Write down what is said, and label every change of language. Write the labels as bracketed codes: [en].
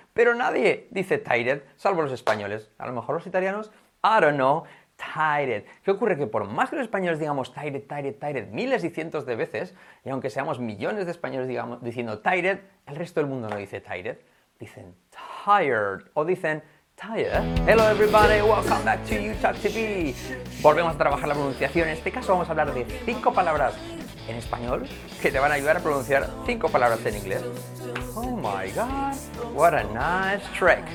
[es] Pero nadie dice tired, salvo los españoles. A lo mejor los italianos, [en] I don't know, [es] tired. ¿Qué ocurre? Que por más que los españoles digamos tired, tired, tired miles y cientos de veces, y aunque seamos millones de españoles digamos, diciendo tired, el resto del mundo no dice tired. Dicen tired o dicen tired. [en] Hello everybody, welcome back to YouTalkTV. [es] Volvemos a trabajar la pronunciación. En este caso vamos a hablar de 5 palabras en español que te van a ayudar a pronunciar 5 palabras en inglés. [en] Oh my god, what a nice trick.